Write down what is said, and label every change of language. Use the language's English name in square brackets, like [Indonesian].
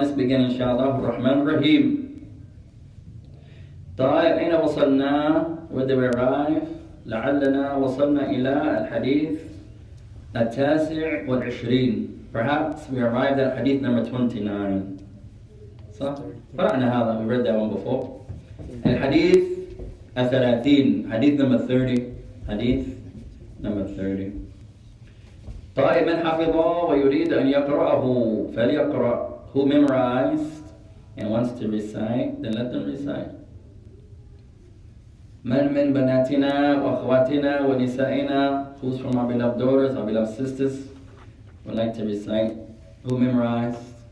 [Arabic] Let's begin إن شاء الله الرحمن الرحيم. طيب أين وصلنا؟ [English] Where did we arrive؟ [Arabic] لعلنا وصلنا إلى الحديث التاسع والعشرين. [English] Perhaps we arrived at hadith number 29. [Arabic] صح؟ قرأنا هذا. [English] We read that one before. [Arabic] الحديث الثلاثين. [English] حديث number 30. حديث number 30. [Arabic] طيب من حفظ ويريد أن يقرأه فليقرأ. [English] Who memorized and wants to recite, then let them recite. [Arabic] من من بناتنا وأخواتنا ونسائنا. [English] Who's from our beloved daughters, our beloved sisters, would like to recite? Who memorized?